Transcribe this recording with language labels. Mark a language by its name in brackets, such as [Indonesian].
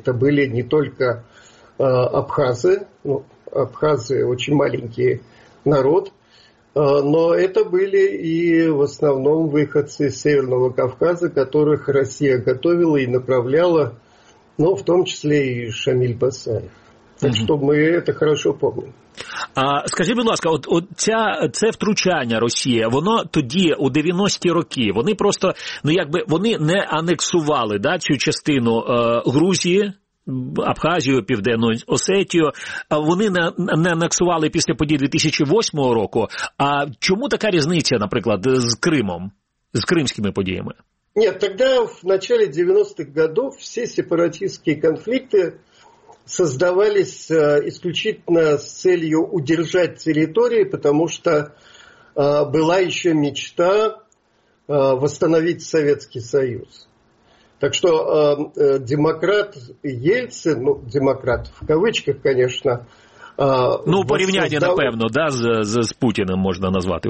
[Russian] Это были не только абхазы. Ну, абхазы – очень маленький народ. Но это были и в основном выходцы из Северного Кавказа, которых Россия готовила и направляла, ну, в том числе и Шамиль Басаев. Так что мы это хорошо помним. [Ukrainian] А скажіть, будь ласка, це втручання Росії, воно тоді, у 90-ті роки, вони просто, ну якби, вони не анексували, да, цю частину Грузії, Абхазію, Південну Осетію, вони не анексували після подій 2008 року, а чому така різниця, наприклад, з Кримом, з кримськими подіями? Ні, тоді в початку 90-х років всі сепаратистські конфлікти [Russian] создавались исключительно с целью удержать территории, потому что была еще мечта восстановить Советский Союз. Так что демократ Ельцин, ну, демократ в кавычках, конечно. [Ukrainian] Ну, порівняння, напевно, да, з Путіним можна назвати.